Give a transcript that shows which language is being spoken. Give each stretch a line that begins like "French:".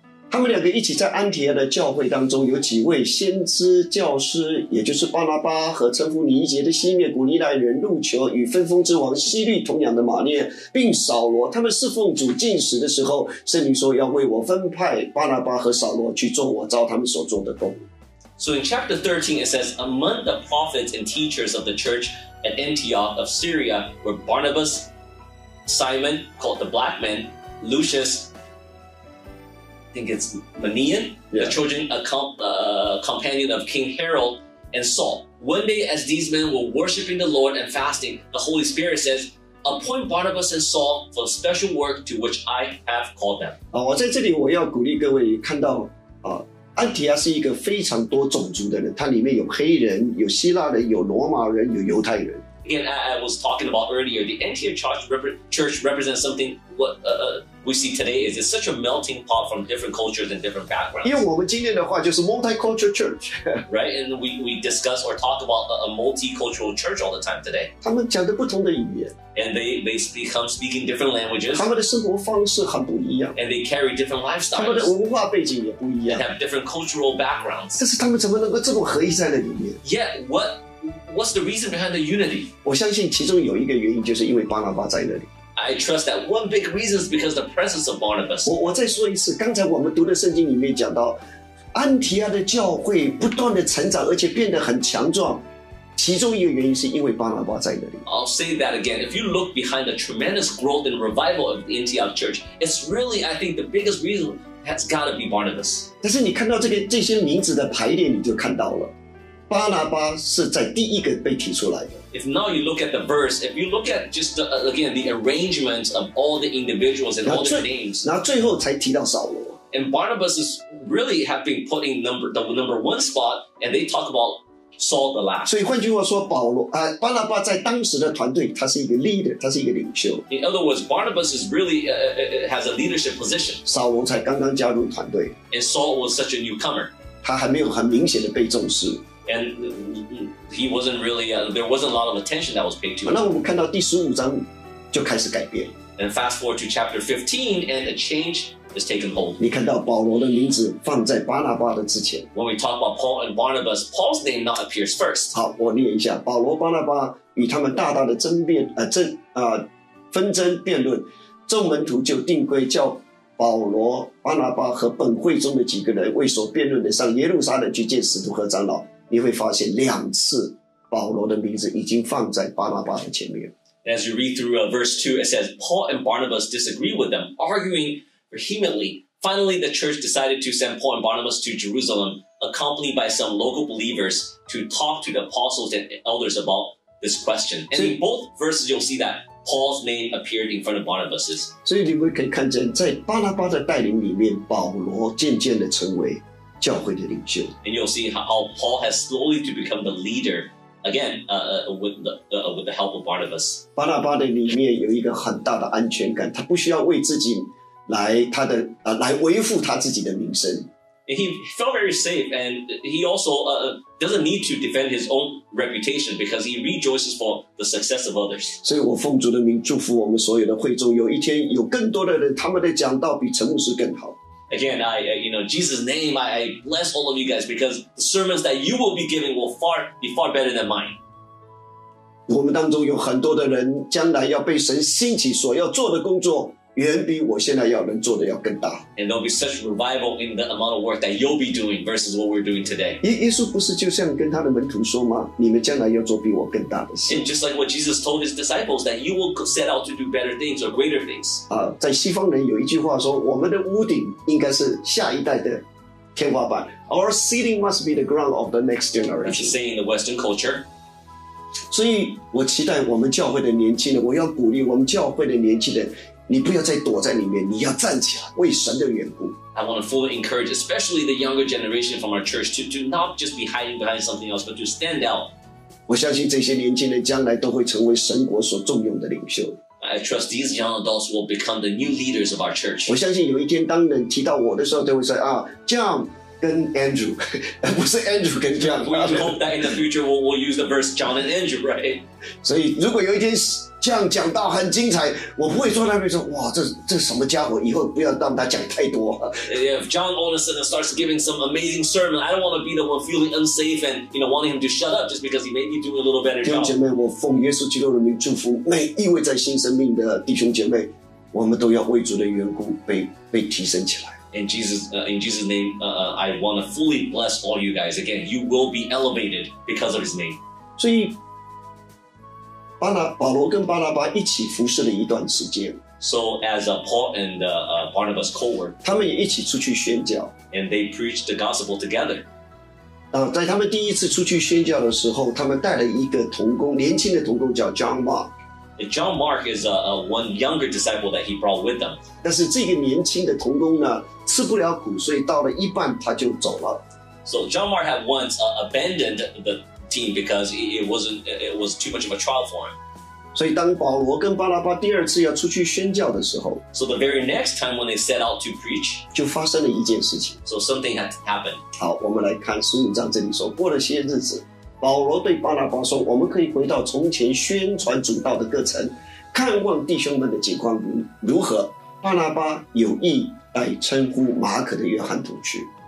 Chinese: 他们两个一起在安提阿的教会当中，有几位先知教师，也就是巴拿巴和称呼尼杰的西面古尼奈人路球与分封之王西律同养的马涅，并扫罗。他们侍奉主进食的时候，圣灵说要为我分派巴拿巴和扫罗去做我照他们所做的工。
English: So in chapter 13, it says, among the prophets and teachers of the church. At Antioch of Syria were Barnabas, Simon, called the Black Man, Lucius, I think it's Manian, yeah. The chosen companion of King Herod, and Saul. One day as these men were worshiping the Lord and fasting, the Holy Spirit says, appoint Barnabas and Saul for the special work to which I have called them.
Chinese: 我在这里我要鼓励各位看到安提阿是一个非常多种族的人，它里面有黑人，有希腊人，有罗马人，有犹太人。
English: And I was talking about earlier, the Antioch church represents something what we see today is it's such a melting pot from different cultures and different backgrounds.
Chinese: 因为我们今天的话就是
English: multicultural church, right? And we discuss or talk about a multicultural church all the time today.
Chinese: 他们讲的不同的语言。
English: And they become speaking different languages.
Chinese: 他们的生活方式很不一样。
English: And they carry different lifestyles.
Chinese: 他们的文化背景也不一样。
English: And have different cultural backgrounds.
Chinese: 但是他们怎么能够这么合一在那里面？
English: Yet, what's the reason behind the unity?
Chinese: 我相信其中有一个原因就是因为巴拿巴在那里。
English: I trust that one big reason is because the presence of Barnabas.
Chinese: 我再说一次，刚才我们读的圣经里面讲到，安提阿的教会不断的成长，而且变得很强壮。其中一个原因是因为巴拿巴在那里。
English: I'll say that again. If you look behind the tremendous growth and revival of the Antioch Church, it's really, I think, the biggest reason has got to be Barnabas.
Chinese: 但是你看到这个这些名字的排列，你就看到了。巴拿巴是在第一个被提出来的。
English: If now you look at the verse, if you look at just the, again the arrangement of all the individuals and all the names,
Chinese: 然后最后才提到扫罗。
English: And Barnabas is really have been put in number one spot, and they talk about Saul the last.
Chinese: 所以换句话说，保罗啊，巴拿巴在当时的团队，他是一个 leader, 他是一个领袖。
English: In other words, Barnabas is really has a leadership position.
Chinese: 扫罗才刚刚加入团队。
English: And Saul was such a newcomer.
Chinese: 他还没有很明显的被重视。
English: And he wasn't really, there wasn't a lot of attention that was paid to him.
Chinese: 那我们看到第15章就开始改变。
English: And fast forward to chapter 15, and a change is taken hold.
Chinese: 你看到保罗的名字放在巴拿巴的之前。
English: When we talk about Paul and Barnabas, Paul's name not appears first.
Chinese: 好，我念一下，保罗、巴拿巴与他们大大的争辩，纷争辩论，众门徒就定规叫保罗、巴拿巴和本会中的几个人为所辩论的上耶路撒冷去见使徒和长老。你会发现两次保罗的名字已经放在巴拿巴的前面。
English: As you read through verse 2, it says, Paul and Barnabas disagreed with them, arguing vehemently. Finally, the church decided to send Paul and Barnabas to Jerusalem, accompanied by some local believers, to talk to the apostles and elders about this question. And in both verses, you'll see that Paul's name appeared in front of Barnabas's.
Chinese: 所以你们可以看见在巴拿巴的带领里面，保罗渐渐地成为教会的领袖。
English: And you'll see how Paul has slowly to become the leader again with the help of Barnabas.
Chinese: 巴拿巴的里面有一个很大的安全感，他不需要为自己来他的来维护他自己的名声。
English: He felt very safe, and he also doesn't need to defend his own reputation because he rejoices for the success of others.
Chinese: 所以我奉主的名祝福我们所有的会众，有一天有更多的人，他们的讲道比陈牧师更好。
English: Again, I, you know, Jesus' name, I bless all of you guys because the sermons that you will be giving will be far better than mine.
Chinese: 我们当中有很多的人将来要被神兴起所要做的工作远比我现在要能做的要更大。
English: And there'll be such revival in the amount of work that you'll be doing versus what we're doing today.
Chinese: 耶稣不是就像跟他的门徒说吗？你们将来要做比我更大的事。
English: And just like what Jesus told his disciples, that you will set out to do better things or greater things.
Chinese: 在西方人有一句话说，我们的屋顶应该是下一代的天花板。
English: Our ceiling must be the ground of the next generation. That's saying in the Western culture.
Chinese: 所以我期待我们教会的年轻人，我要鼓励我们教会的年轻人，你不要再躲在里面，你要站起来为神的缘故。
English: I want to fully encourage especially the younger generation from our church to not just be hiding behind something else but to stand out.
Chinese: 我相信这些年轻人将来都会成为神国所重用的领袖。
English: I trust these young adults will become the new leaders of our church.
Chinese: 我相信有一天当人提到我的时候都会说啊 John跟 Andrew, 不是 Andrew 跟 John.
English: We hope that in the future we'll use the verse John and Andrew, right?
Chinese: 所以如果有一天这样讲到很精彩，我不会坐在那边说哇，这什么家伙？以后不要让他讲太多。
English: If John Olson starts giving some amazing sermon, I don't want to be the one feeling unsafe and you know wanting him to shut up just because he may be doing a little better job.
Chinese: 弟兄姐妹，我奉耶稣基督的名祝福每一位在新生命的弟兄姐妹，我们都要为主的缘故被提升起来。
English: In Jesus' name, I want to fully bless all you guys. Again, you will be elevated because of his name.
Chinese: 所以保罗跟巴拿巴一起服侍了一段时间。
English: So as Paul and Barnabas co-worked,
Chinese: 他们也一起出去宣教。
English: And they preached the gospel together.
Chinese: 在他们第一次出去宣教的时候，他们带了一个同工，年轻的同工叫 John Mark。
English: John Mark is a one younger disciple that he brought with them.
Chinese: 但是这个年轻的同工呢，吃不了苦，所以到了一半他就走了。
English: So John Mark had once abandoned the team because it was too much of a trial for him.
Chinese: 所以当保罗跟巴拿巴第二次要出去宣教的时候
English: ，So the very next time when they set out to preach,
Chinese: 就发生了一件事情。
English: So something had happened.
Chinese: 好，我们来看十五章这里说，过了些日子。保罗对巴拿巴说，我们可以回到从前宣传主道的各城，看望弟兄们的情况如何。巴拿巴有意来称呼马可的约翰同去。